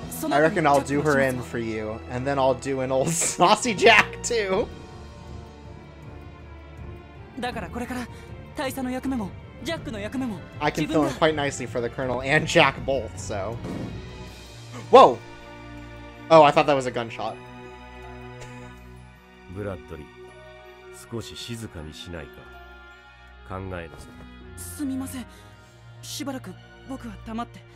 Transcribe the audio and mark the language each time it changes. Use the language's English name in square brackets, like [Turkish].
[English] I reckon I'll do her in for you, and then I'll do an old Saucy Jack too. [Japanese] だからこれから大佐の役目もジャックの役目も。 [English] I can fill in quite nicely for the Colonel and Jack both. So, whoa. Oh, I thought that was a gunshot. [Japanese] Bradley, 少し静かにしないか。考えなさい。すみません。しばらく僕は黙って。